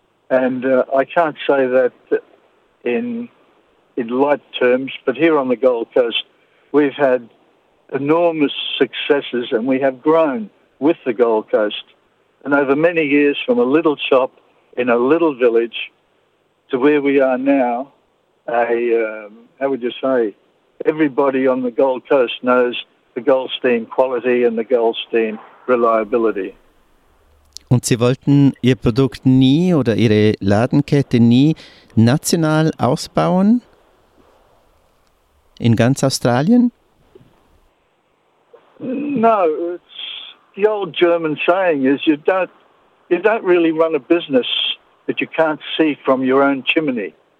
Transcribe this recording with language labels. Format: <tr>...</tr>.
<en>And I can't say that in light terms, but here on the Gold Coast, we've had enormous successes, and we have grown with the Gold Coast. And over many years, from a little shop in a little village to where we are now, how would you say, everybody on the Gold Coast knows the Goldstein quality and the Goldstein Reliability.</en> <de>Und Sie wollten Ihr Produkt nie oder Ihre Ladenkette nie national ausbauen? In ganz Australien?</de> <en>No, it's the old German saying is you don't really run a business that you can't see from your own chimney.</en>